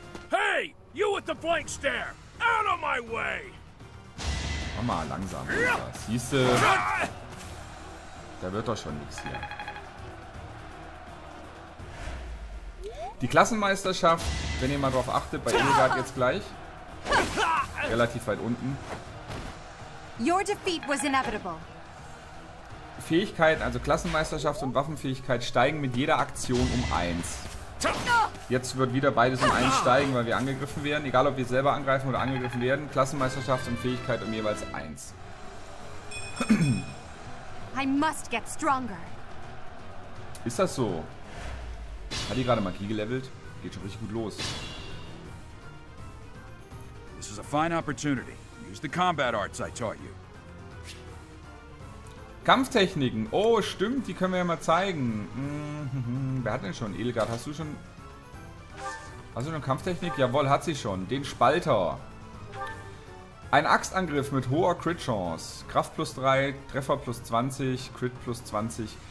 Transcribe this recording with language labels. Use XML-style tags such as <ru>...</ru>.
<en>Hey, you with the blank stare! Out of my way!</en> <de>Komm mal langsam, siehst du? Da wird doch schon nichts hier. Die Klassenmeisterschaft, wenn ihr mal drauf achtet, bei Edelgard jetzt gleich. Relativ weit unten.</de> <en>Your defeat was inevitable.</en> <de>Fähigkeiten, also Klassenmeisterschaft und Waffenfähigkeit steigen mit jeder Aktion um 1. Jetzt wird wieder beides um 1 steigen, weil wir angegriffen werden. Egal, ob wir selber angreifen oder angegriffen werden. Klassenmeisterschaft und Fähigkeit um jeweils 1.</de> <en>I must get stronger.</en> <de>Ist das so? Hat die gerade Magie gelevelt? Geht schon richtig gut los.</de> <en>This is a fine opportunity. Use the combat arts I taught you.</en> <de>Kampftechniken. Oh, stimmt, die können wir ja mal zeigen. Wer hat denn schon? Edelgard, hast du schon... Hast du schon Kampftechnik? Jawohl, hat sie schon. Den Spalter. Ein Axtangriff mit hoher Crit-Chance. Kraft plus 3, Treffer plus 20, Crit plus 20.</de>